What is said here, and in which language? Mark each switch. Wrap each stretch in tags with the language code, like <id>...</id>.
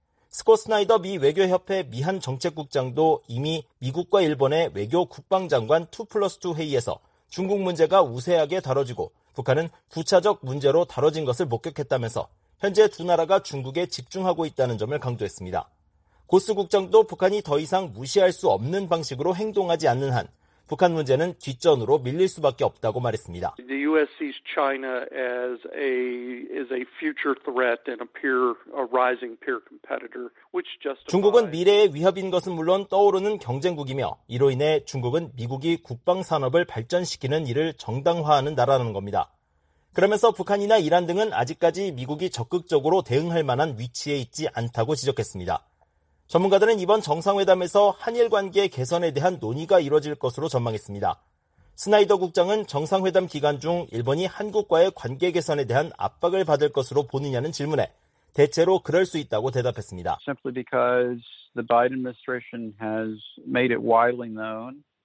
<ko>스콧 스나이더 미 외교협회 미한 정책국장도 이미 미국과 일본의 외교 국방장관 2+2 회의에서 중국 문제가 우세하게 다뤄지고 북한은 부차적 문제로 다뤄진 것을 목격했다면서 현재 두 나라가 중국에 집중하고 있다는 점을 강조했습니다. 고스 국장도 북한이 더 이상 무시할 수 없는 방식으로 행동하지 않는 한 북한 문제는 뒷전으로 밀릴 수밖에 없다고 말했습니다.</ko> <en>The US sees China as a future threat and a rising peer competitor, which justifies</en> <ko>중국은 미래의 위협인 것은 물론 떠오르는 경쟁국이며 이로 인해 중국은 미국이 국방 산업을 발전시키는 일을 정당화하는 나라라는 겁니다. 그러면서 북한이나 이란 등은 아직까지 미국이 적극적으로 대응할 만한 위치에 있지 않다고 지적했습니다. 전문가들은 이번 정상회담에서 한일 관계 개선에 대한 논의가 이뤄질 것으로 전망했습니다. 스나이더 국장은 정상회담 기간 중 일본이 한국과의 관계 개선에 대한 압박을 받을 것으로 보느냐는 질문에 대체로 그럴 수 있다고 대답했습니다.</ko> <en>Simply because the Biden administration has made it widely known.</en>